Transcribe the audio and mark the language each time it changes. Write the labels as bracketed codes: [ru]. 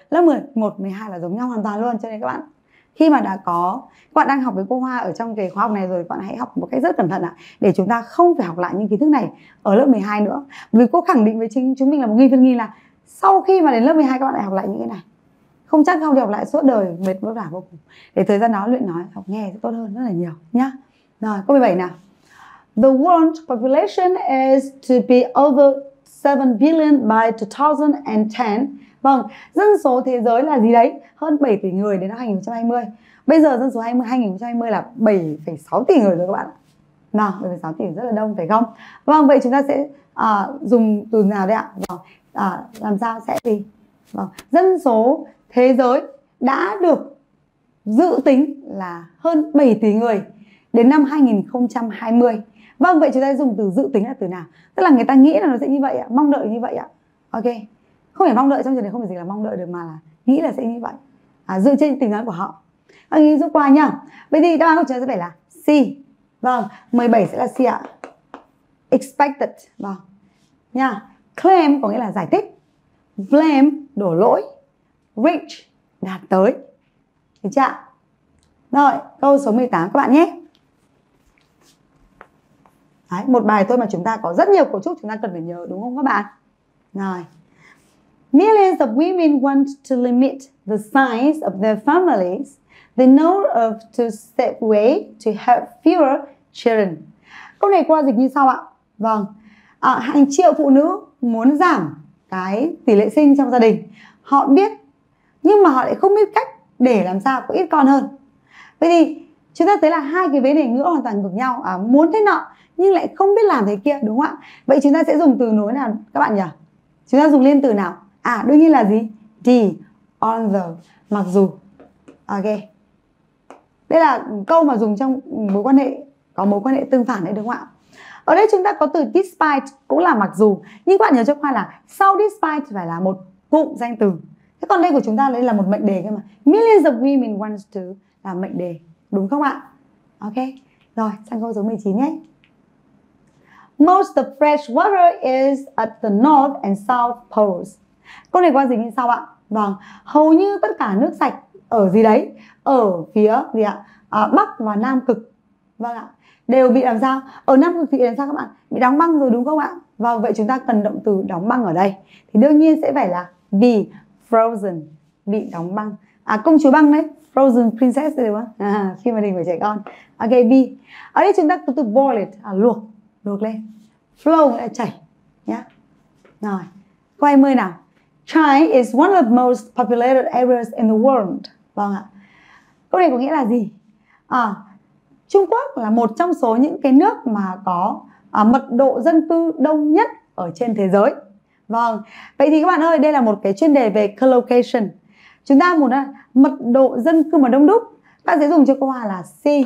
[vi] Lớp 10, 1, 12 là giống nhau hoàn toàn luôn. Cho nên các bạn, khi mà đã có, các bạn đang học với cô Hoa ở trong cái khóa học này rồi, các bạn hãy học một cách rất cẩn thận ạ, để chúng ta không phải học lại những kiến thức này ở lớp 12 nữa. Vì cô khẳng định với chúng mình là 1000% là sau khi mà đến lớp 12 các bạn lại học lại những cái này. Không chắc không học lại suốt đời, mệt vất vả vô cùng. Để thời gian đó luyện nói, học nghe sẽ tốt hơn rất là nhiều nhá. Rồi, câu 17 nào. [en] The world population is to be over 7 billion by 2010. [vi] Vâng, dân số thế giới là gì đấy? Hơn 7 tỷ người đến năm 2020. Bây giờ dân số 2020 là 7,6 tỷ người rồi các bạn ạ. Nào, 7,6 tỷ rất là đông phải không? Vâng, vậy chúng ta sẽ dùng từ nào đấy ạ? Vâng, làm sao sẽ gì? Vâng, dân số thế giới đã được dự tính là hơn 7 tỷ người đến năm 2020. Vâng, vậy chúng ta sẽ dùng từ dự tính là từ nào? Tức là người ta nghĩ là nó sẽ như vậy ạ, mong đợi như vậy ạ. Ok. Không phải mong đợi, trong trường này không phải gì là mong đợi được mà là nghĩ là sẽ như vậy. Dựa trên tình huống của họ. Anh ý giúp qua nhá. Vậy thì đáp án của chúng ta sẽ phải là C. Vâng, 17 sẽ là C ạ. Expected. Vâng. Nha. Claim có nghĩa là giải thích. Blame, đổ lỗi. Reach, đạt tới. Được chưa ạ? Rồi, câu số 18 các bạn nhé. Đấy, một bài thôi mà chúng ta có rất nhiều cấu trúc chúng ta cần phải nhớ, đúng không các bạn? Rồi. [en] Millions of women want to limit the size of their families. They know of to step away to have fewer children. [vi] Câu này qua dịch như sau ạ. Vâng. Hàng triệu phụ nữ muốn giảm cái tỷ lệ sinh trong gia đình. Họ biết, nhưng mà họ lại không biết cách để làm sao có ít con hơn. Vậy thì chúng ta thấy là hai cái vế đề ngữ hoàn toàn ngược nhau. Muốn thế nọ nhưng lại không biết làm thế kia, đúng không ạ? Vậy chúng ta sẽ dùng từ nối nào các bạn nhỉ? Chúng ta dùng liên từ nào? À, đương nhiên là gì? D, although, mặc dù. Ok. Đây là câu mà dùng trong mối quan hệ, có mối quan hệ tương phản đấy, đúng không ạ? Ở đây chúng ta có từ despite, cũng là mặc dù. Nhưng bạn nhớ cho Khoa là sau despite phải là một cụm danh từ. Thế còn đây của chúng ta đây là một mệnh đề cơ mà. [en] Millions of women wants to [vi] là mệnh đề. Đúng không ạ? Ok. Rồi, sang câu số 19 nhé. [en] most of fresh water is at the north and south poles. [vi] Câu này có dịch như sau ạ? Vâng, hầu như tất cả nước sạch ở gì đấy? Ở phía gì ạ? À, Bắc và Nam Cực. Vâng ạ. Đều bị làm sao? Ở Nam Cực thì làm sao các bạn? Bị đóng băng rồi đúng không ạ? Vâng, vậy chúng ta cần động từ đóng băng ở đây. Thì đương nhiên sẽ phải là [en] be frozen, [vi] bị đóng băng. À, công chúa băng đấy, [en] frozen princess [vi] đúng không? À, khi mà mình phải trẻ con. Ok, be. Ở đây chúng ta từ boil it, à, luộc, luộc lên. Flow là chảy. Nhá. Rồi, cô 20 nào. [en] China is one of the most populated areas in the world. [vi] Vâng ạ. Câu này có nghĩa là gì? À, Trung Quốc là một trong số những cái nước mà có mật độ dân cư đông nhất ở trên thế giới. Vâng. Vậy thì các bạn ơi, đây là một cái chuyên đề về collocation. Chúng ta muốn là mật độ dân cư mà đông đúc, ta sẽ dùng cho câu là C.